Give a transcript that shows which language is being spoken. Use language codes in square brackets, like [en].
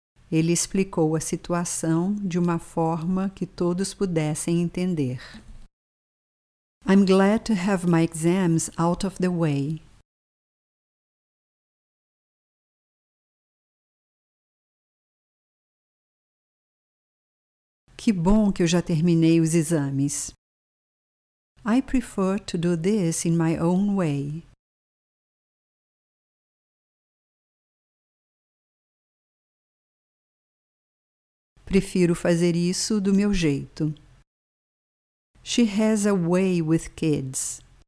[pt] Ele explicou a situação de uma forma que todos pudessem entender. [en] I'm glad to have my exams out of the way. [pt] Que bom que eu já terminei os exames. [en] I prefer to do this in my own way. [pt] Prefiro fazer isso do meu jeito. [en] She has a way with kids.